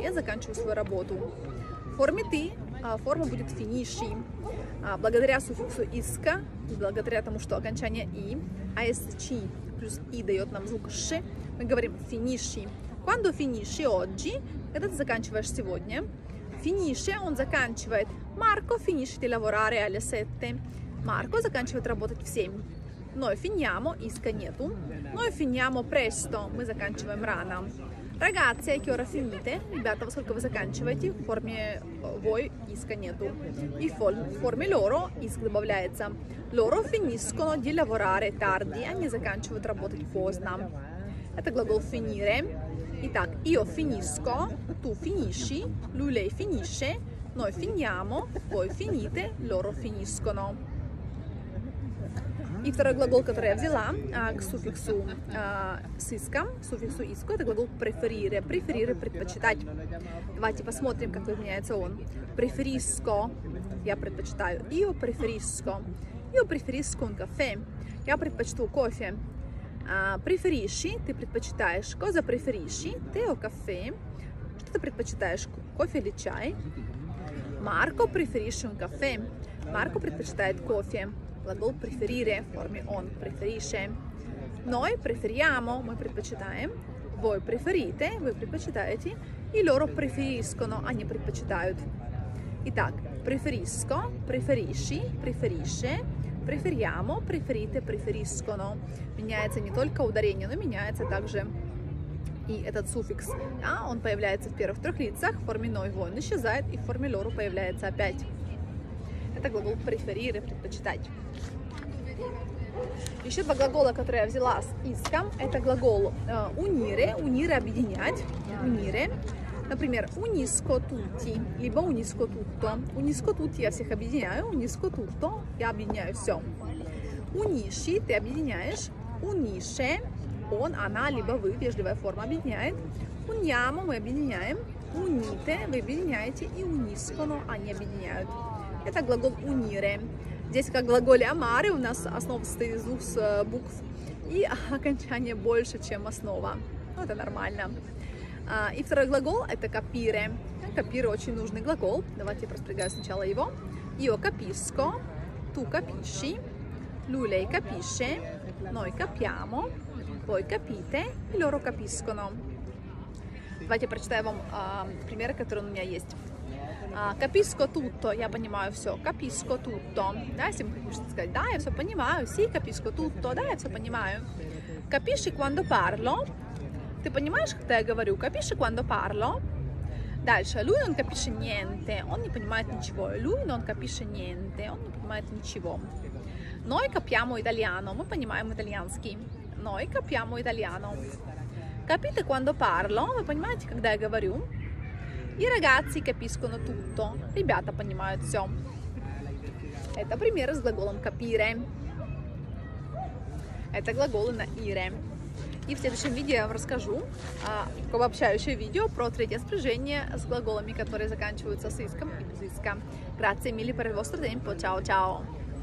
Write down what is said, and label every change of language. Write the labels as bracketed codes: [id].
[ru] Я заканчиваю свою работу. В форме ты форма будет finisci. Благодаря суффиксу иска, благодаря тому, что окончание i, asc плюс i дает нам звук sh, мы говорим finisci. [it] Quando finisci oggi, [ru] когда ты заканчиваешь сегодня, finisce, он заканчивает. [it] Marco finisce di lavorare alle 7. [ru] Marco заканчивает работать в 7. [it] Noi finiamo, [ru] иска нету. [it] Noi finiamo presto, [ru] мы заканчиваем рано. [it] Ragazzi, a che ora finite? [ru] Ребята, во сколько вы заканчиваете? В форме voi, иска нету. И в форме loro, иск добавляется. [it] Loro finiscono di lavorare tardi, [ru] они заканчивают работать поздно. Это глагол finire. [it] Итак, io finisco, tu finisci, lui, lei finisce. Noi finiamo, voi finite, loro finiscono. [ru] И второй глагол, который я взяла к суффиксу сиска, суффиксу иску, это глагол preferire, preferire, предпочитать. Давайте посмотрим, как изменяется он. Preferisco, я предпочитаю. [it] Io preferisco. Io preferisco un caffè. [ru] Я предпочту кофе. Preferisci, ты предпочитаешь. [it] Cosa preferisci? Te o caffè? [ru] Что ты предпочитаешь, кофе или чай? [it] Marco preferisce un caffè. [ru] Marco предпочитает кофе. Глагол preferire в форме он preferisce. [it] Noi preferiamo, [ru] мы предпочитаем. [it] Voi preferite, [ru] вы предпочитаете. И loro preferiscono, они предпочитают. [it] Итак, preferisco, preferisci, preferisce, preferiamo, preferite, preferiscono. [ru] Меняется не только ударение, но меняется также и этот суффикс, да, он появляется в первых трех лицах, в форме noi, voi, он исчезает, и в форме loro появляется опять. Это глагол preferire, предпочитать. Еще два глагола, которые я взяла с иском, это глагол unire, unire, объединять, unire. [it] Например, unisco tutti, либо unisco tutto. Unisco tutti, [ru] я всех объединяю, [it] unisco tutto, [ru] я объединяю все. Unisci, ты объединяешь, unisce. Он, она, либо вы, вежливая форма, объединяет. Uniamo, мы объединяем. Unite, вы объединяете. И uniscono, они объединяют. Это глагол unire. Здесь, как в глаголе amare, у нас основа состоит из двух букв. И окончание больше, чем основа. Ну, это нормально. И второй глагол, это capire. Capire очень нужный глагол. Давайте я проспрягаю сначала его. [it] Io capisco, tu capisci, lui lei capisce, noi capiamo, voi capite и loro capiscono. [ru] Давайте прочитаю вам примеры, которые у меня есть. [it] Capisco tutto, [ru] я понимаю все, [it] capisco tutto. [ru] Да, если мы хотим что-то сказать, да, я все понимаю, [it] sì, capisco tutto, [ru] да, я все понимаю. [it] Capisci quando parlo? [ru] Ты понимаешь, когда я говорю? [it] Capisci quando parlo? [ru] Дальше, [it] lui non capisce niente, [ru] он не понимает ничего. [it] Lui non capisce niente, [ru] он не понимает ничего. [it] Noi capiamo italiano, [ru] мы понимаем итальянский. [it] Noi capiamo italiano. Capite quando parlo? [ru] Вы понимаете, когда я говорю? [it] I ragazzi capiscono tutto. [ru] Ребята понимают все. Это примеры с глаголом capire. Это глаголы на ire. И в следующем видео я вам расскажу обобщающее видео про третье спряжение с глаголами, которые заканчиваются с иском и без иска. [it] Grazie mille per il vostro tempo. Ciao, ciao.